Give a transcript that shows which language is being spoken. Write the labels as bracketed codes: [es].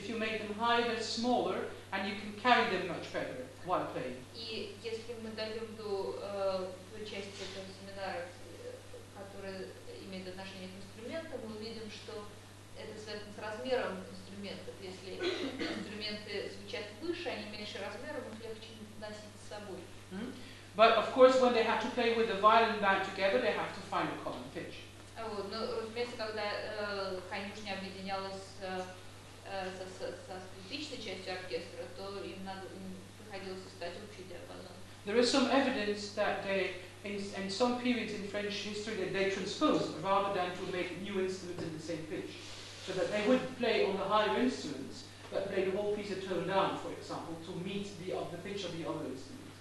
[en] If you make them higher, they're smaller, and you can carry them much better while playing. [ru] И если мы дойдем до той части этого семинара, которая имеет отношение к инструментам, мы увидим, что это связано с размером инструментов. Если инструменты звучат выше, они меньше размером, их легче носить с собой. [en] But of course, when they have to play with the violin band together, they have to find a common pitch. [ru] Вот, но разумеется, когда конюшня объединялась со скрипичной частью оркестра, то им приходилось искать общий диапазон. [en] There is some evidence that they, in some periods in French history, that they transposed rather than to make new instruments in the same pitch, so that they would play on the higher instruments, but play the whole piece of tone down, for example, to meet the pitch of the other instrument.